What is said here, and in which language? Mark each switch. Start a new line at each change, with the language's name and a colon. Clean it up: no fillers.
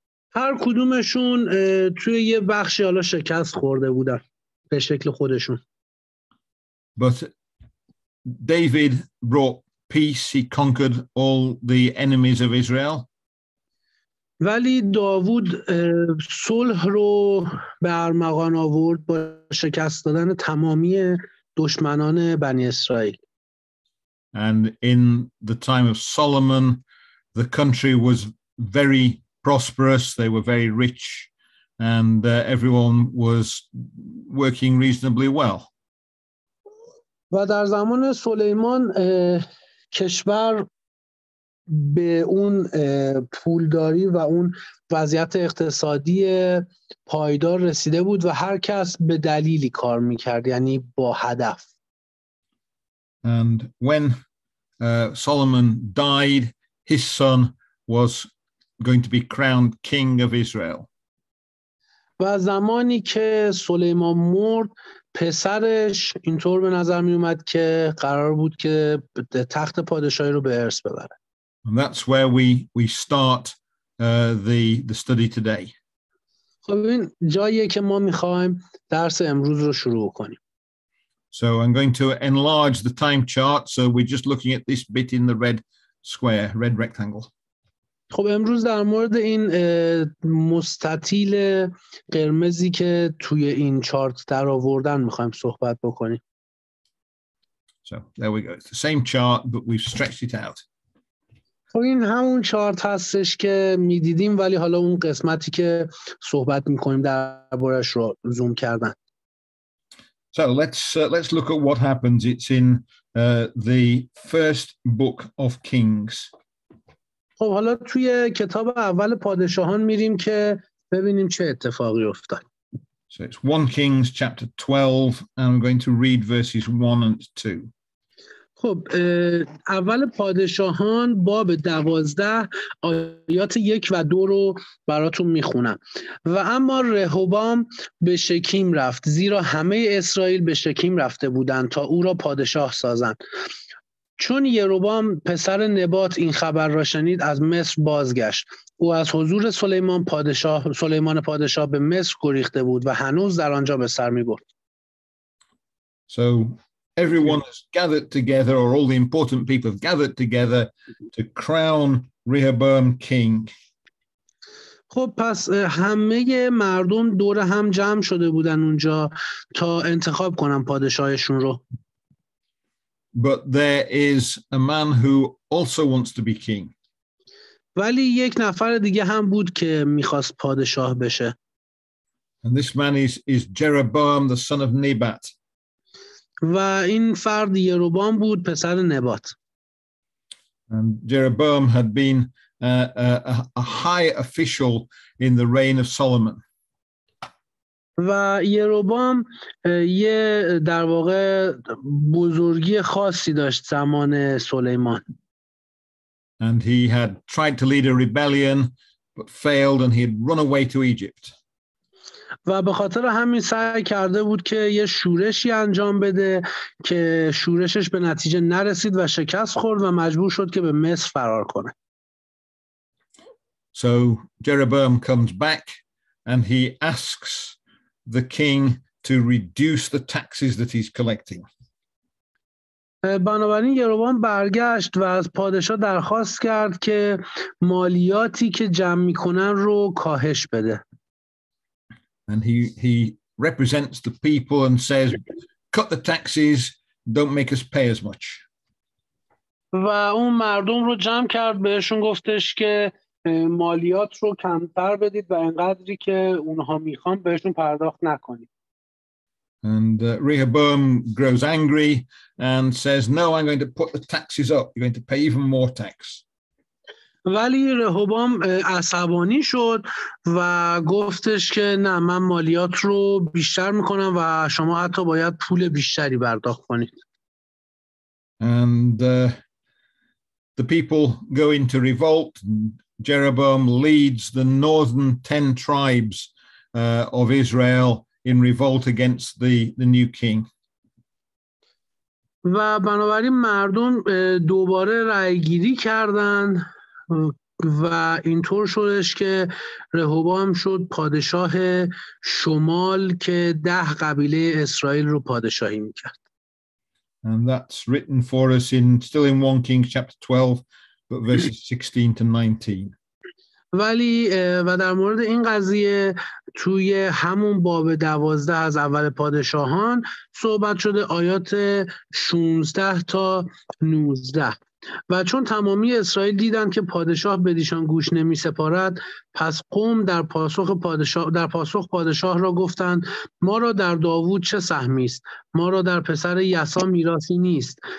Persian: هر کدومشون توی یه بخشی حالا شکست خورده بودن به شکل خودشون.
English: But David brought peace. He conquered all the enemies of Israel.
Persian: ولی داوود صلح رو به ارمغان آورد با شکست دادن تمامی دشمنان بنی اسرائیل.
English: And in the time of Solomon, the country was very prosperous. They were very rich, and everyone was working reasonably well.
Persian: و در زمان سلیمان کشور به اون پولداری و اون وضعیت اقتصادی پایدار رسیده بود و هر کس به دلیلی کار میکرد، یعنی با هدف.
English: And when Solomon died, his son was going to be crowned king of Israel.
Persian: و زمانی که سلیمان مرد پسرش اینطور به نظر می اومد که قرار بود که تخت پادشاهی رو به ارث ببره.
English: And that's where we start the study today.
Persian: خب این جاییه که ما میخوایم درس امروز رو شروع کنیم.
English: So I'm going to enlarge the time chart, so we're just looking at this bit in the red square, red rectangle.
Persian: خب امروز در مورد این مستطیل قرمزی که توی این چارت در آوردن می‌خوایم صحبت بکنیم.
English: So there we go. It's the same chart, but we've stretched it out.
Persian: این همون چارت هستش که می دیدیم ولی حالا اون قسمتی که صحبت می کنیم در بارش رو زوم کردن.
English: So let's look at what happens. It's in the first book of Kings.
Persian: خب حالا توی کتاب اول پادشاهان میریم که ببینیم چه اتفاقی افتاد.
English: So it's 1 Kings chapter 12 and I'm going to read verses 1 and 2.
Persian: خب اول پادشاهان باب 12 آیات 1 و 2 رو براتون میخونم. و اما رهوبام به شکیم رفت، زیرا همه اسرائیل به شکیم رفته بودند تا او را پادشاه سازند. چون یروبام پسر نبات این خبر را شنید، از مصر بازگشت. او از حضور سلیمان پادشاه به مصر گریخته بود و هنوز در آنجا به سر میبرد.
English: So everyone has gathered together, or all the important people have gathered together to crown Rehoboam king.
Persian: خب پس همه مردم دور هم جمع شده بودن اونجا تا انتخاب کنن پادشاهشون رو.
English: But there is a man who also wants to be king.
Persian: ولی یک نفر دیگه هم بود که میخواست پادشاه بشه.
English: And this man is Jeroboam, the son of Nebat.
Persian: و این فرد یروبام بود، پسر نبات.
English: And Jeroboam had been a high official in the reign of Solomon.
Persian: و یروبام یه در واقع بزرگی خاصی داشت زمان سلیمان.
English: And he had tried to lead a rebellion but failed and he had run away to Egypt.
Persian: و به خاطر همین سعی کرده بود که یه شورشی انجام بده که شورشش به نتیجه نرسید و شکست خورد و مجبور شد که به مصر فرار کنه.
English: So Jeroboam comes back and he asks the king to reduce the taxes that he's collecting.
Persian: بنابراین یروبام برگشت و از پادشاه درخواست کرد که مالیاتی که جمع می‌کنن رو کاهش بده.
English: And he represents the people and says, cut the taxes, don't make us pay as much.
Persian: و اون مردم رو جمع کرد، بهشون گفتش که مالیات رو کمتر بدید و اینقدری که اونها میخوان بهشون پرداخت نکنید.
English: And Rehoboam grows angry and says, no, I'm going to put the taxes up. You're going to pay even more tax.
Persian: ولی رهوبام عصبانی شد و گفتش که نه، من مالیات رو بیشتر میکنم و شما حتی باید پول بیشتری برداخت کنید.
English: And the people go into revolt. Jeroboam leads the northern 10 tribes of Israel in revolt against the new king.
Persian: و بنابراین مردم دوباره رأی‌گیری کردن و اینطور شدش که رهوبام شد پادشاه شمال که 10 قبیله اسرائیل رو پادشاهی میکرد.
English: And that's written for us still in 1 Kings chapter 12 but verses 16 to 19.
Persian: ولی و در مورد این قضیه توی همون باب 12 از اول پادشاهان صحبت شده، آیات 16 تا 19. و چون تمامی اسرائیل دیدند که پادشاه بدیشان گوش نمی سپارد، پس قوم در پاسخ پادشاه را گفتند، ما را در داوود چه سهمی است؟ ما را در پسر یسا میراثی نیست.